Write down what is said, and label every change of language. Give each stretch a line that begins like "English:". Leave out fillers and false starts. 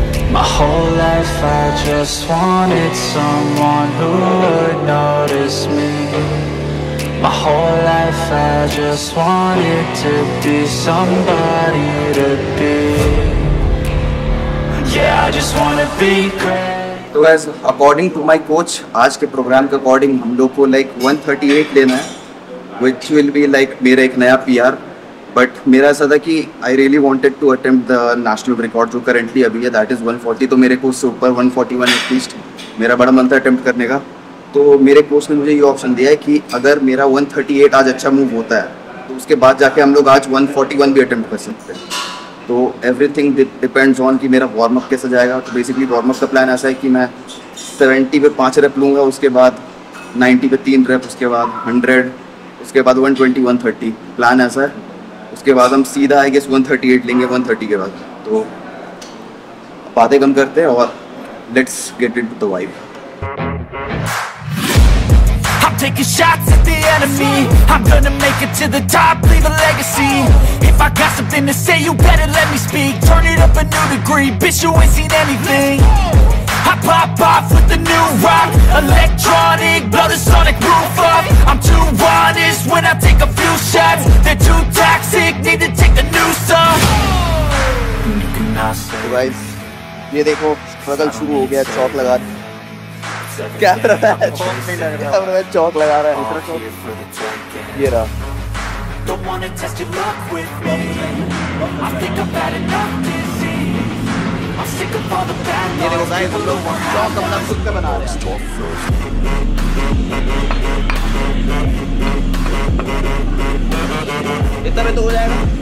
English: My whole life I just wanted someone who would notice me. My whole life I just wanted to be somebody to be. Yeah, I just wanna be great. So guys, according to my coach,
Hindi: आज के programme के according हम लोग को like 138 लेना है,
English: which will be like
Hindi: मेरा एक नया PR. बट मेरा ऐसा था कि
English: I really wanted to attempt the national record
Hindi: जो करेंटली अभी है,
English: That is 140.
Hindi: तो मेरे को उससे ऊपर 141 एटलीस्ट मेरा बड़ा मन था अटेम्प्ट करने का। तो मेरे कोच ने मुझे ये ऑप्शन दिया है कि अगर मेरा 138 आज अच्छा मूव होता है, तो उसके बाद जाके हम लोग आज 141 भी अटेम्प्ट कर सकते हैं। तो
English: everything depends on
Hindi: कि मेरा वार्म अप कैसा जाएगा। तो बेसिकली वार्म अप का प्लान ऐसा है कि मैं 70 पे 5 रेप लूँगा, उसके बाद 90 पे 3 रेप, उसके बाद 100, उसके बाद 120, 130 प्लान ऐसा है। उसके बाद हम सीधा आई गेस 138 लेंगे 130 के बाद। तो बातें कम करते हैं और
English: Let's get it to the vibe. I'm taking shots at the enemy, I'm gonna make it to the top, leave a legacy. If I got something to say, you better let me speak. Turn it up a new degree, bitch you ain't seen anything. I pop off with the new rock, electronic, blow the sonic roof off. I'm too honest when I take a few shots, they're too toxic, need to take a new song. So guys,
Hindi: ye dekho, struggle शुरू हो गया, चौक लगा रहा है, क्या कर रहा है, चौक लगा रहा है, ये रहा।
English: Don't wanna test your luck with me. I think I've had enough disease. I'm sick of all the bad luck. Yeah, they go back and look for half of them. I'm sick of
Hindi: इतना में तो हो जाएगा,